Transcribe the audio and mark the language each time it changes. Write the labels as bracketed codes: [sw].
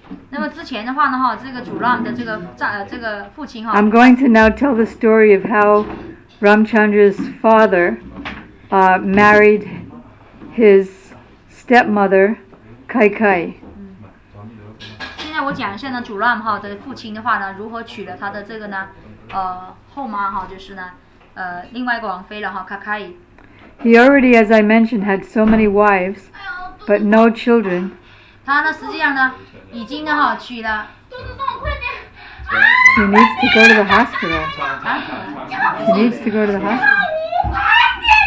[zh] 那么之前的话呢，这个主 Ram 的这个父亲， [en] I'm going to now tell the story of how Ramchandra's father married his stepmother Kaikeyi. [zh] 现在我讲一下呢，主 Ram 哈的父亲的话呢，如何娶了他的这个呢？后妈哈就是呢，另外一个王妃了哈，卡卡伊。 [en] He already, as I mentioned, had so many wives, but no children. [zh] 他呢，实际上呢，已经呢哈娶了。 [en] He needs to go to the hospital. He needs to go to the hospital.